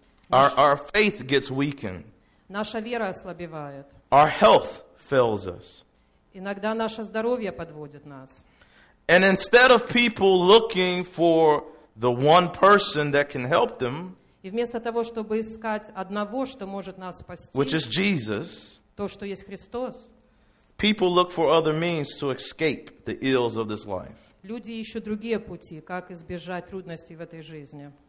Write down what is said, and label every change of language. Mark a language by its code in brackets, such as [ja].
[en] Our faith gets weakened. [ru] Наша вера ослабевает. [en] Our health fails us. [ru] Иногда наше здоровье подводит нас. [en] And instead of people looking for the one person that can help them, [ru] и вместо того, чтобы искать одного, что может нас спасти, [en] which is Jesus, [ru] то, что есть Христос, [en] people look for other means to escape the ills of this life. [ru] Люди ищут другие пути, как избежать трудностей в этой жизни.